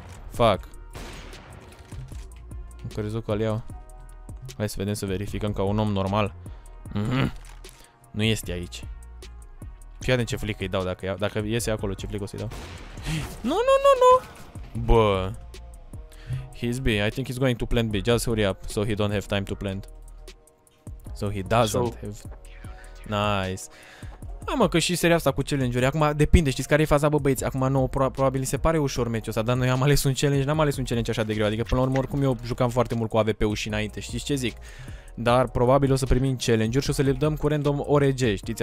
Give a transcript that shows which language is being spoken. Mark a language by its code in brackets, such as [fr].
[en] Fuck. [ro] Am crezut că-l iau. Hai să vedem, să verificăm ca un om normal. Nu este aici. Fii atent ce flic îi dau dacă, dacă iese acolo, ce flic o să-i dau. Nu, nu, nu, nu. Bă. [en] He's B, I think he's going to plant B. Just hurry up, so he don't have time to plant. So he doesn't have... Nice. [ro] Am, mă, că și seria asta cu challenge-uri. Acum depinde, știți care e faza, bă, băieți? Acum nouă probabil se pare ușor meciul ăsta, dar noi am ales un challenge, n-am ales un challenge așa de greu. Adică până la urmă oricum eu jucam foarte mult cu AVP-ul și înainte, știți ce zic? Dar probabil o să primim challenge-uri și o să le dăm cu random ORG, știți?